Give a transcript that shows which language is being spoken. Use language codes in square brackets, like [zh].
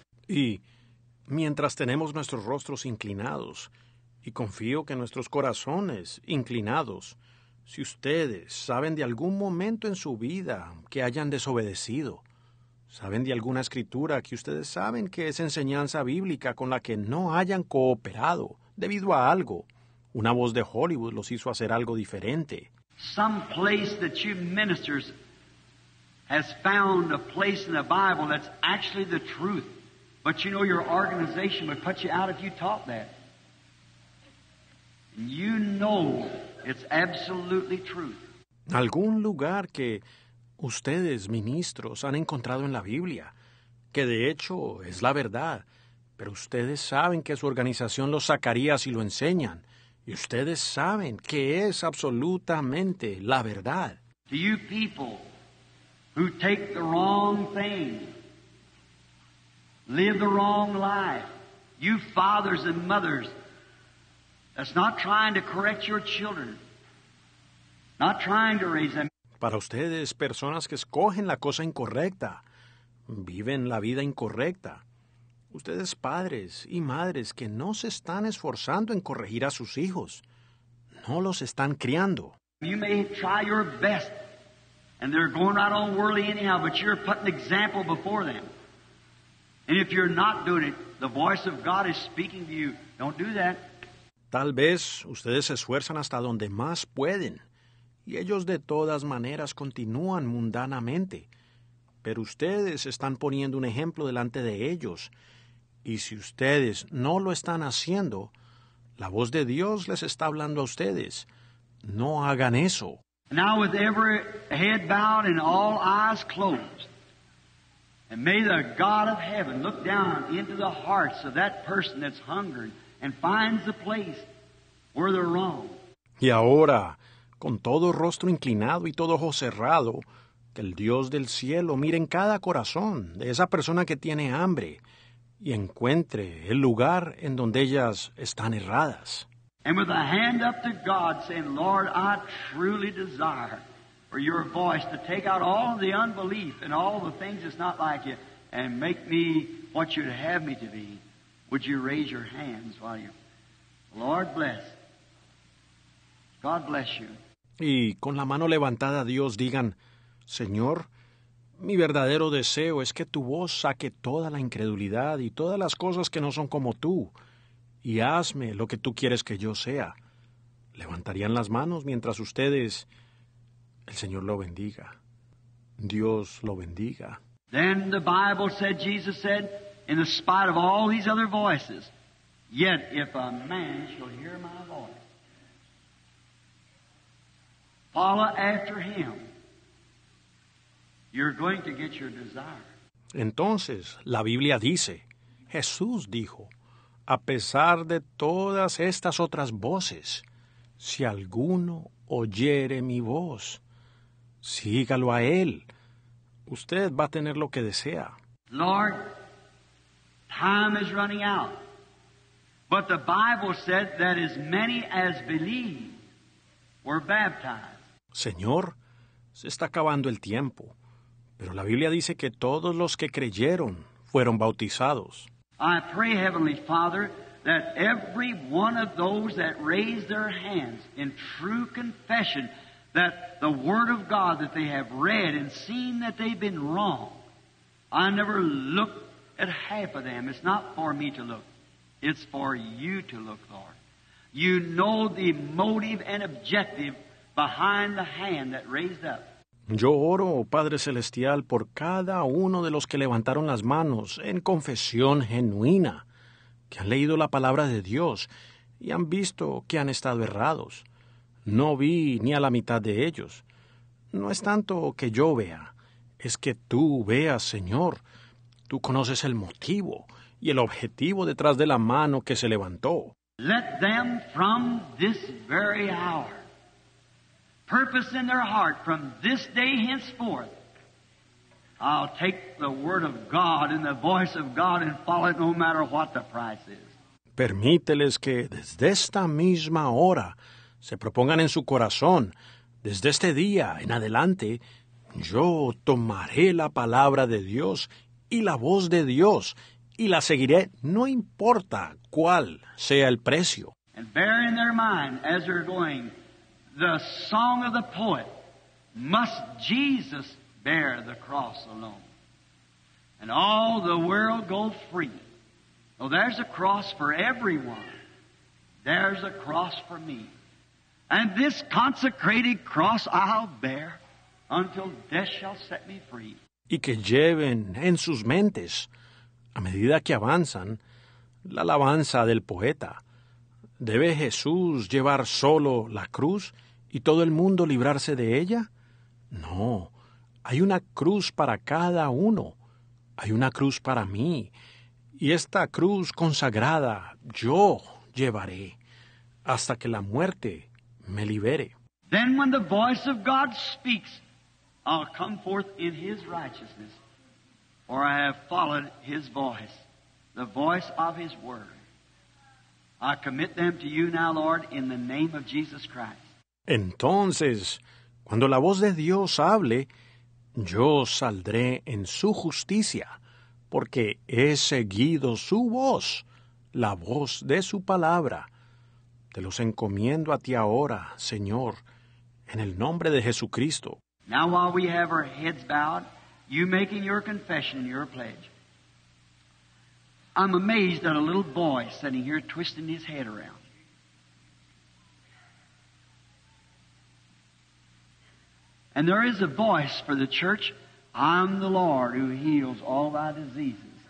[es] Y mientras tenemos nuestros rostros inclinados, y confío que nuestros corazones inclinados, si ustedes saben de algún momento en su vida que hayan desobedecido, saben de alguna escritura que ustedes saben que es enseñanza bíblica con la que no hayan cooperado debido a algo, una voz de Hollywood los hizo hacer algo diferente. [en] Some place that you ministers has found a place in the Bible that's actually the truth. But you know your organization would put you out if you taught that. You know it's absolutely truth. [es] Algún lugar que ustedes, ministros, han encontrado en la Biblia, que de hecho es la verdad, pero ustedes saben que su organización los sacaría si lo enseñan, y ustedes saben que es absolutamente la verdad. [en] To you people who take the wrong thing, live the wrong life, you fathers and mothers, that's not trying to correct your children, not trying to raise them. [es] Para ustedes, personas que escogen la cosa incorrecta, viven la vida incorrecta, ustedes padres y madres que no se están esforzando en corregir a sus hijos, no los están criando. [en] You may try your best, and they're going right on worldly anyhow, but you're putting example before them. And if you're not doing it, the voice of God is speaking to you. Don't do that. [es] Tal vez ustedes se esfuerzan hasta donde más pueden, y ellos de todas maneras continúan mundanamente. Pero ustedes están poniendo un ejemplo delante de ellos. Y si ustedes no lo están haciendo, la voz de Dios les está hablando a ustedes. No hagan eso. [en] Now with every head bowed and all eyes closed, and may the God of heaven look down into the hearts of that person that's hungry and finds the place where they're wrong. [es] Y ahora, con todo rostro inclinado y todo ojo cerrado, que el Dios del cielo mire en cada corazón de esa persona que tiene hambre y encuentre el lugar en donde ellas están erradas. [en] And with a hand up to God saying, Lord, I truly desire for your voice to take out all the unbelief and all the things that's not like you and make me what you'd have me to be. Would you raise your hands while you... Lord bless. God bless you. [es] Y con la mano levantada a Dios digan, Señor, mi verdadero deseo es que tu voz saque toda la incredulidad y todas las cosas que no son como tú. Y hazme lo que tú quieres que yo sea. Levantarían las manos mientras ustedes... El Señor lo bendiga. Dios lo bendiga. [en] Then the Bible said, Jesus said, in spite of all these other voices, yet if a man shall hear my voice, follow after him, you're going to get your desire. [es] Entonces, la Biblia dice, Jesús dijo, a pesar de todas estas otras voces, si alguno oyere mi voz, sígalo a él. Usted va a tener lo que desea. [en] Lord, time is running out. But the Bible said that as many as believe were baptized. [es] Señor, se está acabando el tiempo, pero la Biblia dice que todos los que creyeron fueron bautizados. [en] I pray, Heavenly Father, that every one of those that raised their hands in true confession, that the Word of God that they have read and seen that they've been wrong, I never look at half of them. It's not for me to look. It's for you to look, Lord. You know the motive and objective behind the hand that raised up. [es] Yo oro, Padre Celestial, por cada uno de los que levantaron las manos en confesión genuina, que han leído la palabra de Dios y han visto que han estado errados. No vi ni a la mitad de ellos. No es tanto que yo vea, es que tú veas, Señor. Tú conoces el motivo y el objetivo detrás de la mano que se levantó. [en] Let them from this very hour purpose in their heart from this day henceforth, I'll take the word of God and the voice of God and follow it no matter what the price is. [es] Permíteles que desde esta misma hora se propongan en su corazón, desde este día en adelante, yo tomaré la palabra de Dios y la voz de Dios y la seguiré, no importa cuál sea el precio. [en] And bear in their mind as they're going, the song of the poet, must Jesus bear the cross alone? And all the world go free. Oh, there's a cross for everyone. There's a cross for me. And this consecrated cross I'll bear until death shall set me free. [es] Y que lleven en sus mentes, a medida que avanzan, la alabanza del poeta. ¿Debe Jesús llevar solo la cruz y todo el mundo librarse de ella? No, hay una cruz para cada uno, hay una cruz para mí, y esta cruz consagrada yo llevaré hasta que la muerte me libere. [en] Then when the voice of God speaks, I'll come forth in His righteousness, for I have followed His voice, the voice of His word. I commit them to you now, Lord, in the name of Jesus Christ. [es] Entonces, cuando la voz de Dios hable, yo saldré en su justicia, porque he seguido su voz, la voz de su palabra. Te los encomiendo a ti ahora, Señor, en el nombre de Jesucristo. [en] Now while we have our heads bowed, you making your confession and your pledge. I'm amazed at a little boy sitting here twisting his head around. And there is a voice for the church, I'm the Lord who heals all thy diseases.